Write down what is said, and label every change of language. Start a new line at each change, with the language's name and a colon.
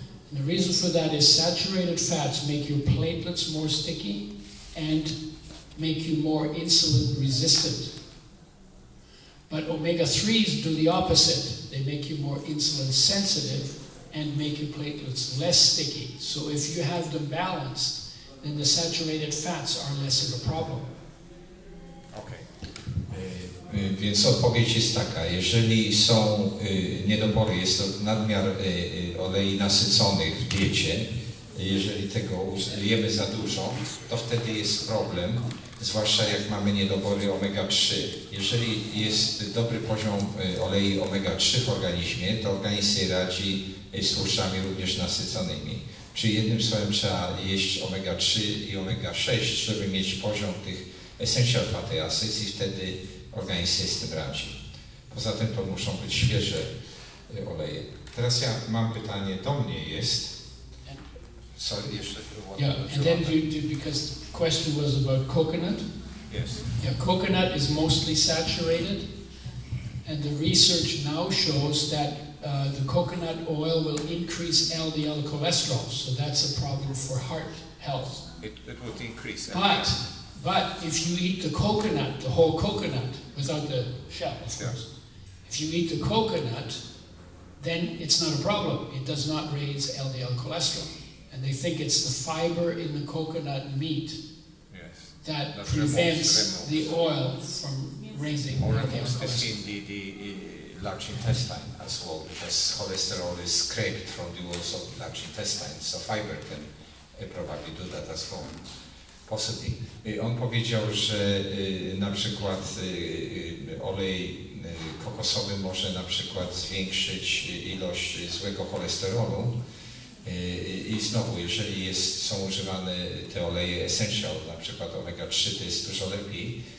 English: And the reason for that is saturated fats make your platelets more sticky and make you more insulin resistant. But omega-3s do the opposite. They make you more insulin sensitive and make your platelets less sticky. So if you have them balanced, then the saturated fats are less of a problem. Okay.
Polish: Więc odpowiedź jest taka, jeżeli są niedobory, jest to nadmiar olei nasyconych w diecie, jeżeli tego jemy za dużo, to wtedy jest problem, zwłaszcza jak mamy niedobory omega-3. Jeżeli jest dobry poziom olei omega-3 w organizmie, to organizm sobie radzi z tłuszczami również nasyconymi. Czyli jednym słowem trzeba jeść omega-3 i omega-6, żeby mieć poziom tych essential fatty acids i wtedy organizm jest tym radzi. Poza tym to muszą być świeże oleje. Teraz ja mam pytanie do mnie jest. Sorry, jeszcze było.
English: Yeah, and then because the question was about coconut. Yes. Yeah, coconut is mostly saturated, and the research now shows that the coconut oil will increase LDL cholesterol, so that's a problem for heart health. It would increase. But if you eat the coconut, the whole coconut, without the shell, of course, if you eat the coconut, then it's not a problem. It does not raise LDL cholesterol. And they think it's the fiber in the coconut meat that prevents the oil from raising LDL cholesterol. Or the large intestine as well, because cholesterol is scraped from the walls of the large intestine, so fiber can probably do that as well. Possibly.
Polish: On powiedział, że na przykład olej kokosowy może na przykład zwiększyć ilość złego cholesterolu. I znowu, jeżeli są używane te oleje essential, na przykład omega-3, to jest dużo lepiej.